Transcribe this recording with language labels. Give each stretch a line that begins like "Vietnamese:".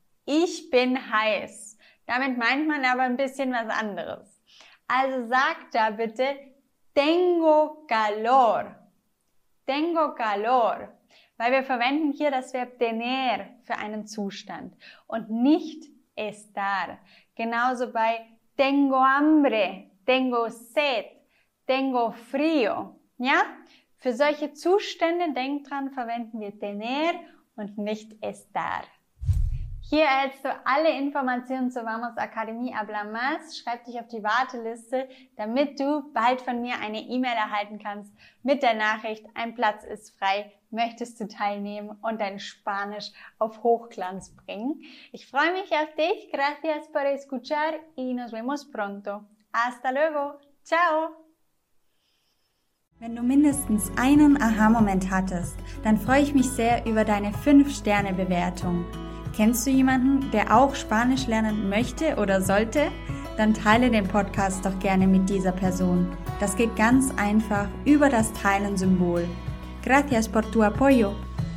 German: Ich bin heiß. Damit meint man aber ein bisschen was anderes. Also sag da bitte,
Spanish: tengo calor. Tengo calor.
German: Weil wir verwenden hier das Verb tener für einen Zustand und nicht estar. Genauso bei
Spanish: tengo hambre, tengo sed, tengo frío.
German: Ja? Für solche Zustände, denk dran, verwenden wir tener und nicht estar. Hier erhältst du alle Informationen zur Vamos Academy Habla Más. Schreib dich auf die Warteliste, damit du bald von mir eine E-Mail erhalten kannst mit der Nachricht, ein Platz ist frei, möchtest du teilnehmen und dein Spanisch auf Hochglanz bringen. Ich freue mich auf dich.
Spanish: Gracias por escuchar y nos vemos pronto. Hasta luego. Ciao.
German: Wenn du mindestens einen Aha-Moment hattest, dann freue ich mich sehr über deine 5-Sterne-Bewertung. Kennst du jemanden, der auch Spanisch lernen möchte oder sollte? Dann teile den Podcast doch gerne mit dieser Person. Das geht ganz einfach über das Teilen-Symbol.
Spanish: Gracias por tu apoyo.